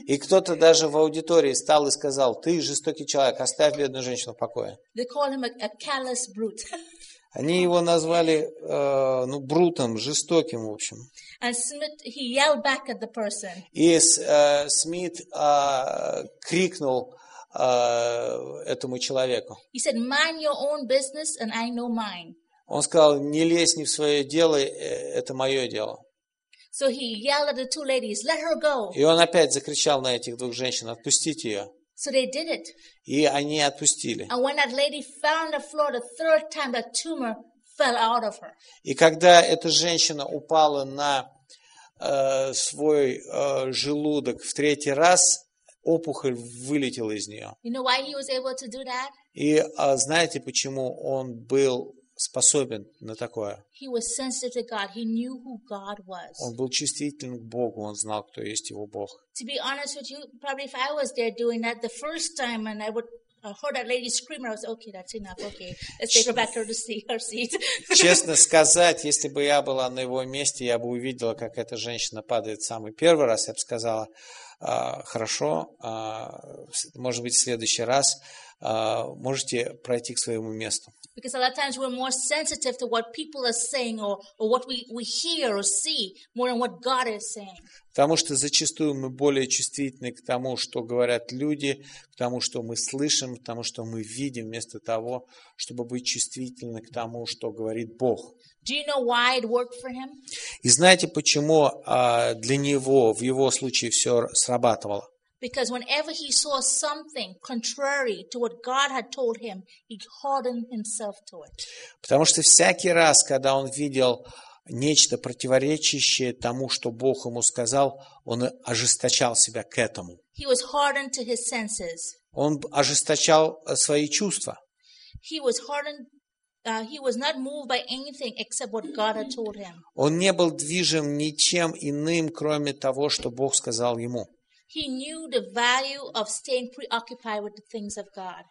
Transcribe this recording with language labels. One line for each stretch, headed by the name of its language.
Russian: И кто-то даже в аудитории встал и сказал, ты жестокий человек, оставь бедную женщину в покое.
English: They call him a callous brute.
Russian: Они его назвали, ну, брутом, жестоким, в общем.
English: And Smith, he yelled back at the person.
Russian: И Смит крикнул этому человеку.
English: He said, mind your own business, and I know mine.
Russian: Он сказал, не лезь не в свое дело, это мое дело.
English: So he yelled at the two ladies, let her go.
Russian: И он опять закричал на этих двух женщин, отпустите ее.
English: So they did it.
Russian: И они отпустили.
English: And when that lady fell on the floor the third time, that tumor fell out of her.
Russian: И когда эта женщина упала на свой желудок в третий раз, опухоль вылетела из нее.
English: You know why he was able to do that?
Russian: И знаете, почему он был способен на такое?
English: He was sensitive to God. He knew who God was.
Russian: Он был чувствителен к Богу. Он знал, кто есть его Бог.
English: To be honest with you, probably if I was there doing that the first time and I heard that lady scream, I was okay, that's enough. Okay, let's take her back to her seat.
Russian: Честно сказать, если бы я была на его месте, я бы увидела, как эта женщина падает самый первый раз. Я бы сказала, хорошо, может быть, в следующий раз можете пройти к своему месту.
English: Because a lot of times we're more sensitive to what people are saying or what we hear or see more than what God is saying.
Russian: Потому что зачастую мы более чувствительны к тому, что говорят люди, к тому, что мы слышим, к тому, что мы видим, вместо того, чтобы быть чувствительны к тому, что говорит Бог.
English: Do you know why it worked for him?
Russian: И знаете, почему для него в его случае все срабатывало?
English: Because whenever he saw something contrary to what God had told him, he hardened himself to it.
Russian: Потому что всякий раз, когда он видел нечто противоречащее тому, что Бог ему сказал, он ожесточал себя к этому.
English: He was hardened to his senses.
Russian: Он ожесточал свои чувства.
English: He was hardened. He was not moved by anything except what God had told him.
Russian: Он не был движим ничем иным, кроме того, что Бог сказал ему.
English: He knew the value of staying preoccupied with the things of God.